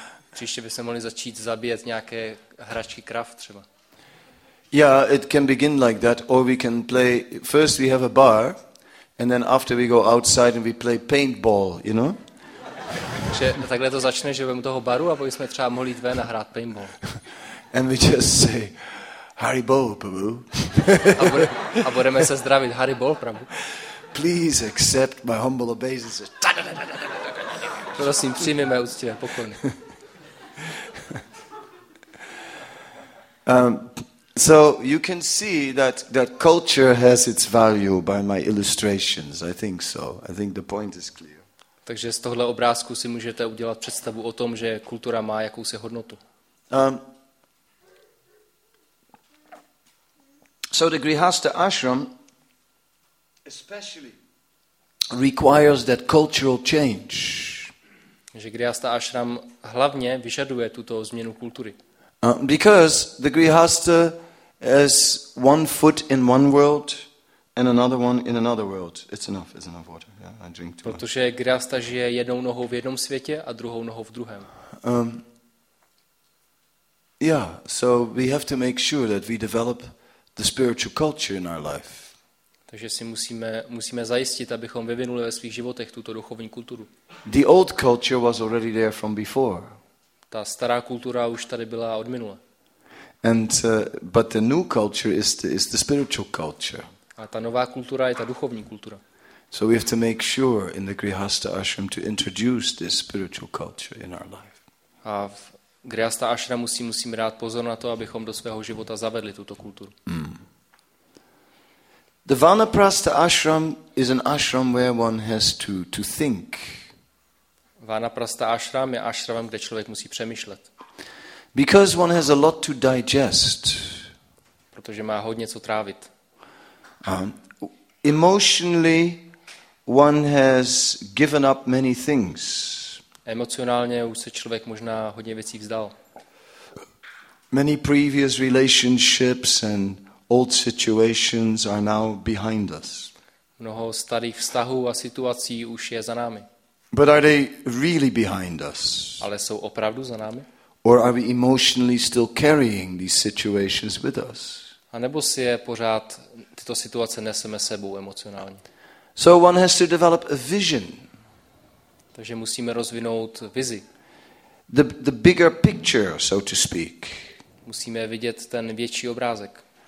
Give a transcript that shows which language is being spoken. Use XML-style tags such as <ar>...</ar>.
<cs>Příště by se mohli začít zabíjet nějaké hračky krav třeba.</cs> <en>Yeah, it can begin like that, or we can play. First we have a bar, and then after we go outside and we play paintball, you know?</en> <cs>Že takhle to začne, že vem toho baru a bychom třeba mohli jít ven a hrát paintball.</cs> <en>And we just say Haribo, Prabhu.</en> <cs>A budeme se zdravit Haribo, Prabhu.</cs> <en>Please accept my humble obeisances.</en> <cs>Prosím, přijmi mé úctivé poklony.</cs> <en>So you can see that culture has its value by my illustrations. I think so. I think the point is clear.</en> <cs>Takže z tohle obrázku si můžete udělat představu o tom, že kultura má jakousi hodnotu.</cs> <en>So the Grihastha ashram especially requires that cultural change.</en> <cs>Že Grihastha ashram hlavně vyžaduje tuto změnu kultury.</cs> <en>Because the Grihastha has one foot in one world and another one in another world. It's enough water. Yeah, I drink too.</en> <cs>Protože Grihastha žije jednou nohou v jednom světě a druhou nohou v druhém.</cs> <en>Yeah, so we have to make sure that we develop the spiritual culture in our life.</en> <cs>Takže si musíme zajistit, abychom vyvinuli ve svých životech tuto duchovní kulturu.</cs> <en>The old culture was already there from before.</en> <cs>Ta stará kultura už tady byla od minule.</cs> <en>But the new culture is the spiritual culture.</en> <cs>A ta nová kultura je ta duchovní kultura.</cs> <en>So we have to make sure in the Grihastha ashram to introduce this spiritual culture in our life.</en> <cs>A v Grihastha ashramu musíme dát pozor na to, abychom do svého života zavedli tuto kulturu.</cs> <en>The Vanaprastha ashram is an ashram where one has to think.</en> <cs>Vanaprastha ashram je ashram, kde člověk musí přemýšlet.</cs> <en>Because one has a lot to digest.</en> <cs>Protože má hodně co trávit.</cs> <en>Emotionally one has given up many things.</en> <cs>Emocionálně už se člověk možná hodně věcí vzdal.</cs> <en>Many previous relationships and old situations are now behind us.</en> <cs>Mnoho starých vztahů a situací už je za námi.</cs> <en>But are they really behind us?</en> <cs>Ale jsou opravdu za námi?</cs> <en>Or are we emotionally still carrying these situations with us?</en> <cs>A nebo si je pořád tyto situace neseme sebou emocionálně?</cs> <en>So one has to develop a vision.</en> <cs>Takže musíme rozvinout vizi.</cs> <en>The bigger picture, so to speak.</en> <cs>Musíme vidět ten větší obrázek.</cs>